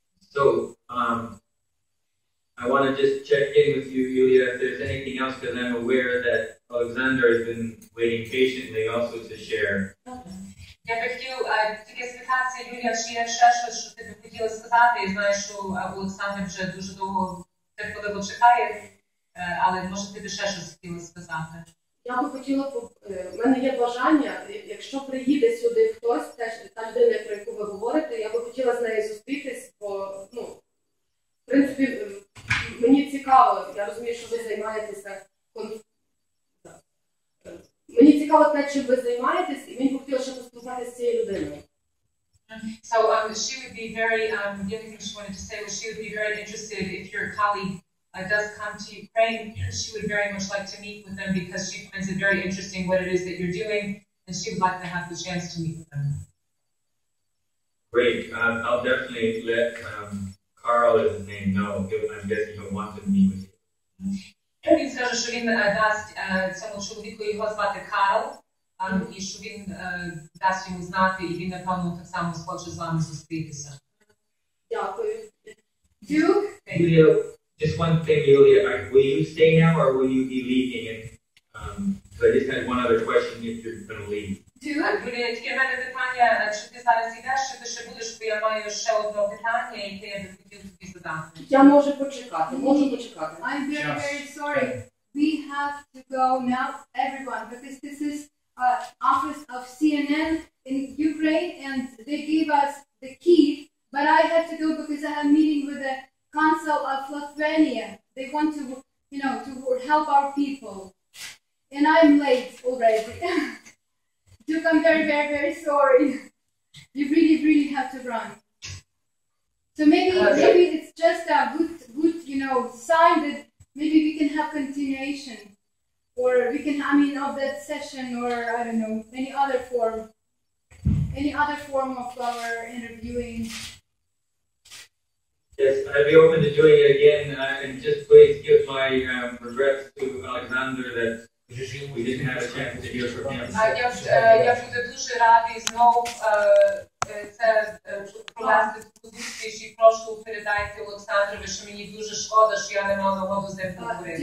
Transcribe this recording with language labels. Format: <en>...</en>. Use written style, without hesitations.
<en>So, I want to just check in with you, Yulia, if there's anything else, because I'm aware that Alexander has been waiting patiently also to share.</en> <uk>Я би хотіла тільки спитатися, Юлія, чи є ще щось, що ти би хотіла сказати. Я знаю, що Олександр вже дуже довго терпеливо чекає, але може ти би ще щось хотіла сказати? Я би хотіла, в мене є бажання, якщо приїде сюди хтось, теж та людина, про яку ви говорите, я би хотіла з нею зустрітись, бо, ну, в принципі, мені цікаво, я розумію, що ви займаєтеся мені цікаво те, чим ви займаєтесь, і мені хотілося ще поспілкуватися з цією людиною.</uk> <en>So, she would be very, the other thing she wanted to say was she would be very interested if your colleague does come to Ukraine, she would very much like to meet with them because she finds it very interesting what it is that you're doing, and she would like to have the chance to meet with them. Great, I'll definitely let Carl is his name. No, I'm guessing he wanted me with you.</en> <uk>Він скаже, що він дасть цьому чоловіку його звати Карл, і що він дасть йому знати, і він, напевно, так само схоче з вами зустрітися. Дякую.</uk> <en>Юлія, just one thing, Юлія, will you stay now or will you be leaving? Because I just had one other question if you're going to leave.</en> <uk>Юлія, тільки в мене питання, чи ти зараз йдеш, чи ти ще будеш, бо я маю ще одне питання, яке я хотів тобі задати. Я можу почекати, можу почекати.</uk> <en>I'm very, very sorry. Yeah. We have to go now, everyone, because this is office of CNN in Ukraine, and they gave us the key, but I have to go because I have a meeting with the Council of Lithuania. They want to, you know, to help our people. And I'm late already. Duke, I'm very, very, very sorry. You really, really have to run. So maybe maybe it's just a good, you know, sign that maybe we can have continuation. Or we can, I mean, of that session or, I don't know, any other form of our interviewing. Yes, I'd be open to doing it again. And just please give my regrets to Alexander that we didn't have a chance to hear from him.</en> <uk>Я буду дуже радий знову це провести цю зустріч. І прошу передайте Олександрові, що мені дуже шкода, що я не мала нагоду з ним поговорити.</uk>